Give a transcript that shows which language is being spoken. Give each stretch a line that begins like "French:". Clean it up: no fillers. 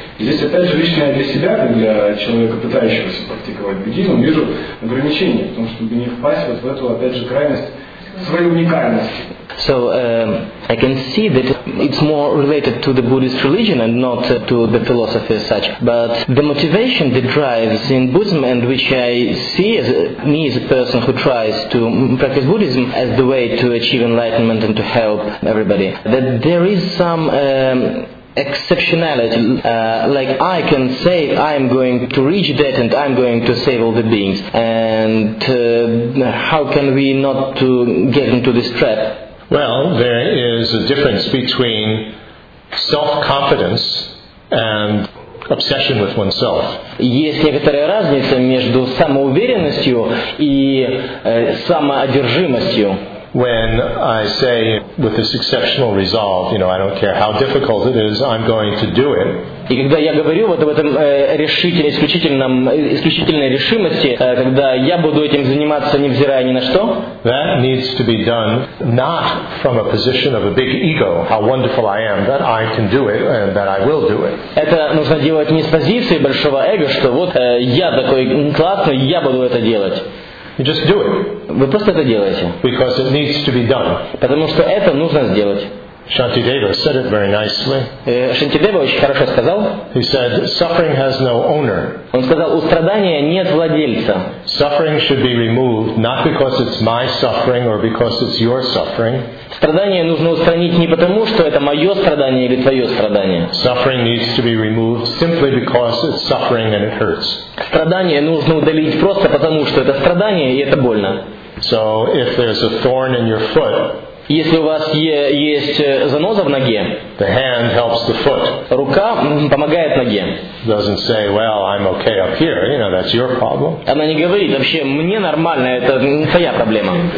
Russian: И здесь, опять же, лично для себя, как для человека, пытающегося практиковать буддизм, вижу ограничения в том, чтобы не впасть вот в эту, опять же, крайность своей уникальности.
English: So I can see that it's more related to the Buddhist religion and not to the philosophy as such. But the motivation that drives in Buddhism, and which I see as me as a person who tries to practice Buddhism as the way to achieve enlightenment and to help everybody, that there is some exceptionality, like I can say I'm going to reach that and I'm going to save all the beings, and how can we not to get into this trap? Well, there is a difference between self-confidence and obsession with oneself.
Russian: Есть некоторая разница между самоуверенностью и самоодержимостью.
English: When I say with this exceptional resolve, you know, I don't care how difficult it is, I'm going to do it.
Russian: И когда я говорю вот об этом решительном, исключительной решимости, когда я буду этим заниматься, невзирая ни на что,
English: that needs to be done not from a position of a big ego, how wonderful I am, that I can do it and that I will do it.
Russian: Это нужно делать не с позиции большого эго, что вот я такой классный, я буду это делать.
English: You just do it.
Russian: Вы просто это делаете.
English: Because it needs to be done.
Russian: Потому что это нужно сделать.
English: Шантидева said it very nicely.
Russian: Шантидева очень хорошо сказал.
English: He said, suffering has no owner.
Russian: Он сказал, у страдания нет владельца.
English: Suffering should be removed not because it's my suffering or because it's your suffering.
Russian: Страдание нужно устранить не потому, что это мое страдание или твое страдание.
English: Suffering needs to be removed simply because it's suffering and it hurts.
Russian: Страдание нужно удалить просто потому, что это страдание и это больно.
English: So if there's a thorn in your foot,
Russian: если у вас есть заноза в ноге,
English: the hand helps the foot.
Russian: Рука помогает ноге.
English: Doesn't say, well, I'm okay up here. You know, that's your problem.
Russian: Она не говорит вообще, мне нормально, это не твоя проблема.